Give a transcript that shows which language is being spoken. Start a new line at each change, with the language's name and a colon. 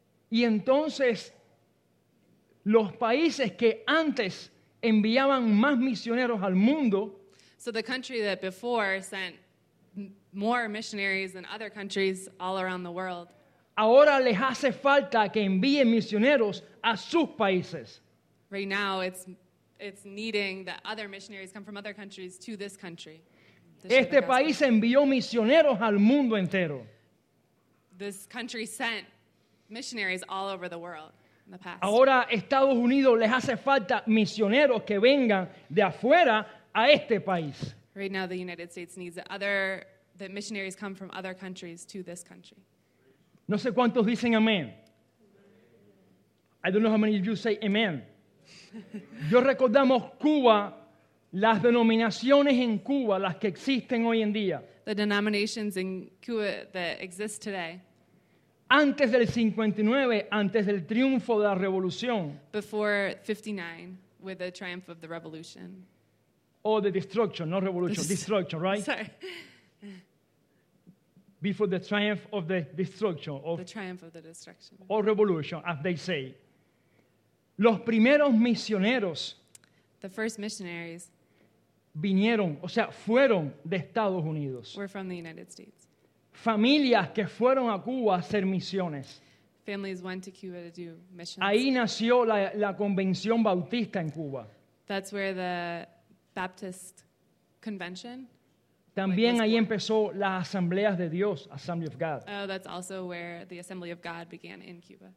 Spanish: Y entonces, los países que antes enviaban más misioneros al mundo.
English: So the country that before sent more missionaries than other countries all around the world.
Spanish: ahora les hace falta que envíen misioneros a sus países.
English: Right now, it's needing that other missionaries come from other countries to this country.
Spanish: Este país envió misioneros al mundo entero.
English: This country sent missionaries all over the world in the past.
Spanish: Ahora Estados Unidos les hace falta misioneros que vengan de afuera a este país.
English: Right now, the United States needs that missionaries come from other countries to this country.
Spanish: No sé cuántos dicen amén.
English: I don't know how many of you say amen.
Spanish: Yo recordamos Cuba, las denominaciones en Cuba, las que existen hoy en día.
English: The denominations in Cuba that exist today.
Spanish: Antes del 59, antes del triunfo de la revolución.
English: Before 59, with the triumph of the revolution. Oh, the destruction, not revolution, destruction, right? Sorry. Before the triumph of the destruction. The triumph of the destruction. Or revolution, as they say.
Spanish: Los primeros misioneros.
English: The first missionaries.
Spanish: Vinieron, o sea, fueron de Estados Unidos.
English: Were from the United States.
Spanish: Familias que fueron a Cuba a hacer misiones.
English: Families went to Cuba to do missions.
Spanish: Ahí nació la convención bautista en Cuba.
English: That's where the Baptist convention.
Spanish: También ahí empezó las asambleas de Dios, Assembly of God.
English: Oh, that's also where the Assembly of God began in Cuba.